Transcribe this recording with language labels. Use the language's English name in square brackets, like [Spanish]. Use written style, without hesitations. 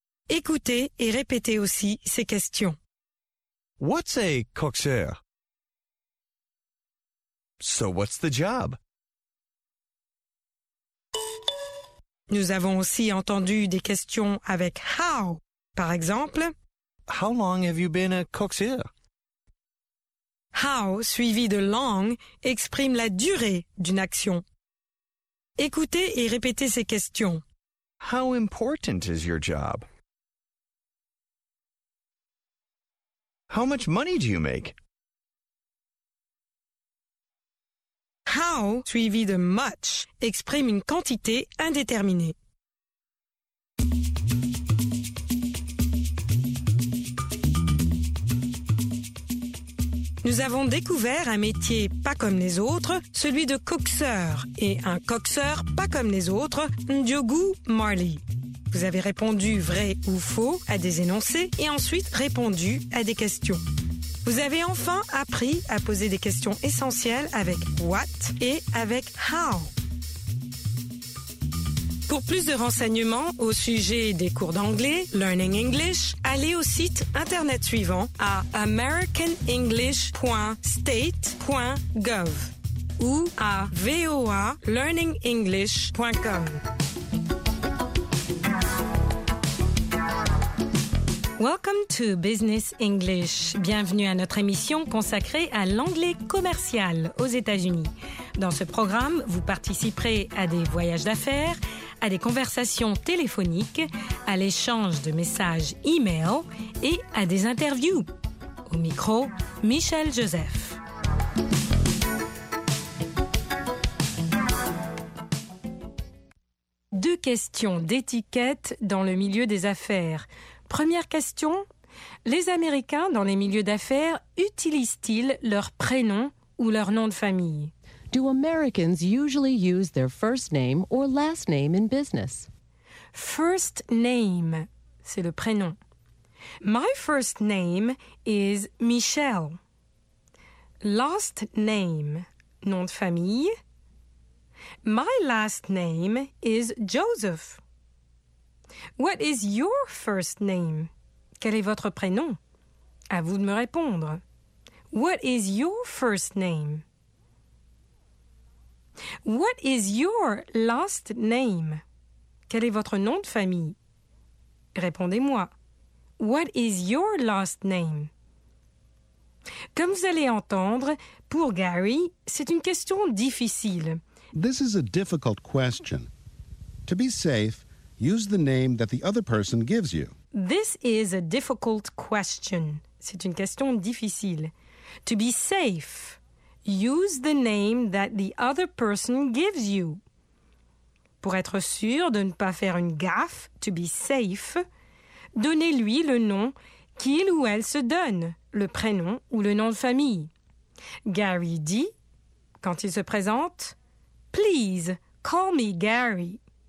[French] Écoutez et répétez aussi ces questions. [English] What's a coxeur? So what's the job? [French] Nous avons aussi entendu des questions avec how. Par exemple, [English] how long have you been a coxeur? [French] How, suivi de long, exprime la durée d'une action. Écoutez et répétez ces questions. [English] How important is your job? How much money do you make? [French] How, suivi de much, exprime une quantité indéterminée. nous avons découvert un métier pas comme les autres, celui de coxeur, et un coxeur pas comme les autres, Ndiogou Marley. Vous avez répondu vrai ou faux à des énoncés et ensuite répondu à des questions. Vous avez enfin appris à poser des questions essentielles avec « what » et avec « how ». Pour plus de renseignements au sujet des cours d'anglais, Learning English, allez au site Internet suivant à americanenglish.state.gov ou à voalearningenglish.com. [English] Welcome to Business English. [French] Bienvenue à notre émission consacrée à l'anglais commercial aux États-Unis. Dans ce programme, vous participerez à des voyages d'affaires, à des conversations téléphoniques, à l'échange de messages e-mail et à des interviews. Au micro, Michel Joseph. Deux questions d'étiquette dans le milieu des affaires. Première question, les Américains dans les milieux d'affaires utilisent-ils leur prénom ou leur nom de famille? [English] Do Americans usually use their first name or last name in business? First name, [French] c'est le prénom. [English] My first name is Michel. [French] Last name, nom de famille. [English] My last name is Joseph. What is your first name? [French] Quel est votre prénom? À vous de me répondre. [English] What is your first name? What is your last name? [French] Quel est votre nom de famille? Répondez-moi. [English] What is your last name? [French] Comme vous allez entendre, pour Gary, c'est une question difficile. [English] This is a difficult question. To be safe, use the name that the other person gives you. This is a difficult question. [French] C'est une question difficile. [English] To be safe, use the name that the other person gives you. [French] Pour être sûr de ne pas faire une gaffe, [English] to be safe, [French] donnez-lui le nom qu'il ou elle se donne, le prénom ou le nom de famille. Gary dit, quand il se présente, [English] Please, call me Gary.